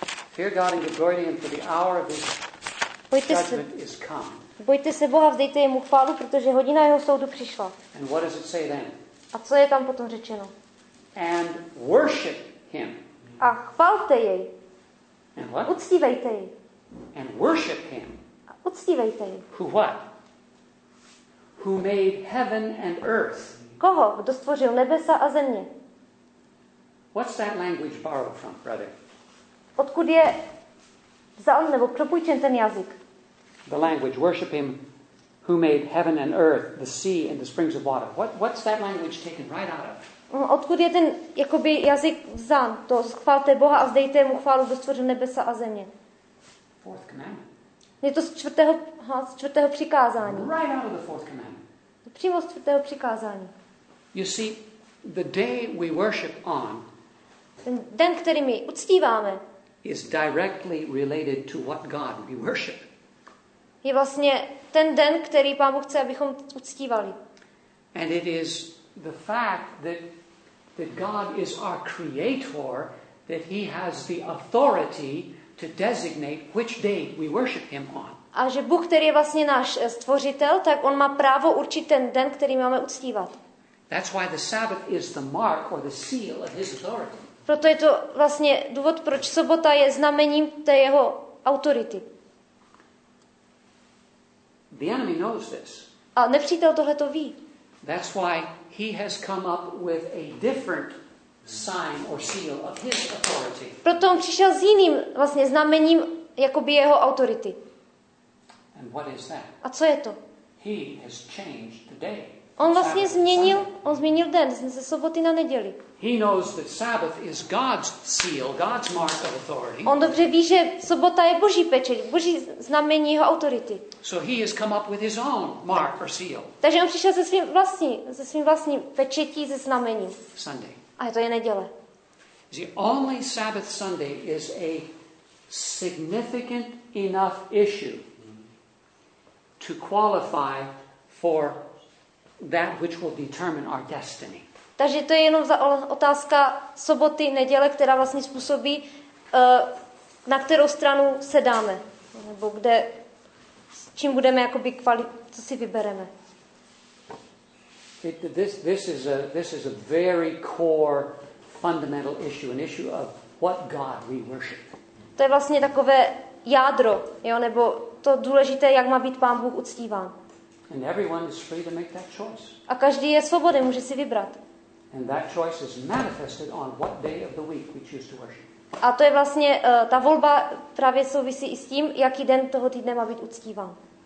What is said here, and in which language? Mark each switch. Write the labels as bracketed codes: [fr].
[en] Fear God and give glory to Him, for the hour of His judgment is come. [cs] Bojte se Boha, vzdejte jemu chválu, protože hodina jeho soudu přišla. [en] And what does it say then? [cs] A co je tam potom řečeno? [en] And worship Him. [cs] A chvalte jej. [en] And what? [cs] Uctívejte jej. [en] And worship Him. [cs] A uctívejte jej. [en] Who what? Who made heaven and earth? [cs] Koho? Kdo stvořil nebesa a země? [en] What's that language borrowed from, brother? [cs] Odkud je vzal, nebo propůjčen ten jazyk? [en] The language, worship Him who made heaven and earth, the sea and the springs of water. What's that language taken right out of? [cs] Odkud je ten jakoby jazyk vzal? To chvalte Boha a vzdejte mu chválu, kdo stvořil nebesa a země. [en] Fourth commandment. [cs] Je to z čtvrtého přikázání. [en] Right out of the fourth commandment. [cs] Přímo z čtvrtého přikázání. [en] You see, the day we worship on, [cs] ten den, který my uctíváme, [en] is directly related to what God we worship. [cs] Je vlastně ten den, který Pán Bůh chce, abychom uctívali. [en] And it is the fact that God is our creator, that He has the authority to designate which day we worship Him on. [cs] A že Bůh, který je vlastně náš stvořitel, tak On má právo určit ten den, který máme uctívat. [en] That's why the Sabbath is the mark or the seal of His authority. [cs] Proto je to vlastně důvod, proč sobota je znamením té jeho autority. [en] The enemy knows this. [cs] A nepřítel tohle to ví. [en] That's why he has come up with a different sign or seal of his authority. [cs] Proto on přišel s jiným vlastně znamením jakoby jeho autority. [en] And what is that? [cs] A co je to? [en] He has changed the day. [cs] On vlastně změnil den ze soboty na neděli. [en] He knows that Sabbath is God's seal, God's mark of authority. [cs] On dobře ví, že sobota je Boží pečeť, Boží znamení jeho autority. [en] So he has come up with his own mark or seal. [cs] Takže on přišel se svým vlastním pečetí, se znamením. [en] Sunday. [cs] A to je neděle. [en] The only Sabbath Sunday is a significant enough issue to qualify for that which will determine our destiny. [cs] Takže to je jenom otázka soboty, neděle, která vlastně způsobí, na kterou stranu se dáme, nebo kde, s čím budeme jakoby co si vybereme. [en] This is a very core fundamental issue, an issue of what God we worship. [cs] To je vlastně takové jádro, jo, nebo to důležité, jak má být Pán Bůh uctíván. [en] And everyone is free to make that choice. [cs] A každý je svobodný, může si vybrat. [en] And that choice is manifested on what day of the week we choose to worship. [cs] A to je vlastně ta volba právě souvisí i s tím, jaký den toho týdne má být uctíván.